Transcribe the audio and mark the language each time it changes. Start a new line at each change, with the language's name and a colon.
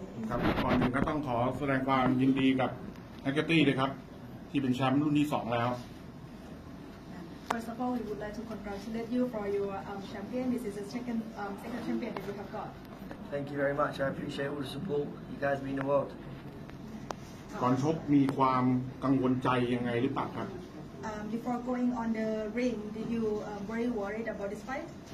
Thai: ครับก่อนหนึ่งก็ต้องขอแสดงความยินดีกับแฮกเกอร์ตี้เลยครับที่เป็นแชมป์รุ่นที่2แล้ว
English: First of all, we would like to congratulate you for your champion. This is the second, second champion that you have got. Thank you very much. I appreciate all the support you guys have been the world.
Thai: ก่อนชกมีความกังวลใจยังไงหรือเปล่าครับ
English: Before going on the ring, did you very worried about this fight?